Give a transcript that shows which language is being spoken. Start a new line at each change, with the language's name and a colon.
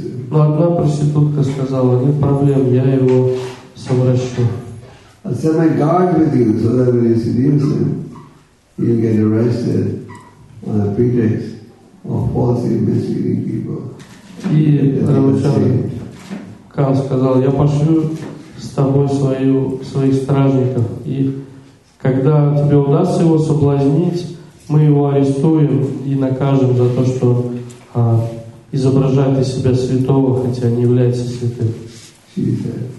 Russian: Но одна проститутка сказала, нет проблем, я его совращу.
English: I'll send my guard with you, so that when you seduce him, you'll get arrested on a pretext of falsely misleading people.
Russian: И Рамачандра Кхан сказал, я пошлю с тобой своих стражников, и когда тебе удастся его соблазнить, мы его арестуем и накажем за то, что изображает из себя святого, хотя не является святым.